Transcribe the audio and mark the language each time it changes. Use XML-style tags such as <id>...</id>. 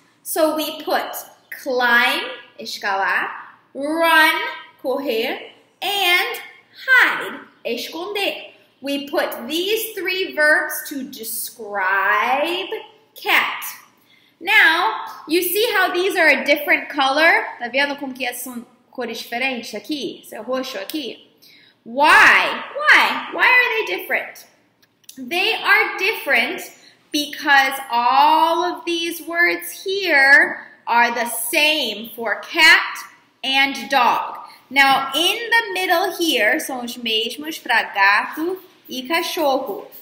<en>So we put climb, escalar, run, correr, and hide, esconder. We put these three verbs to describe cat. Now, you see how these are a different color?</en> <pt>Tá vendo como que são cores diferentes aqui? Esse roxo aqui.</pt> <en>Why? Why? Why are they different? They are different because all of these words here are the same for cat and dog. Now, in the middle here,</en> <pt>são os mesmos para gato e cachorro.</pt>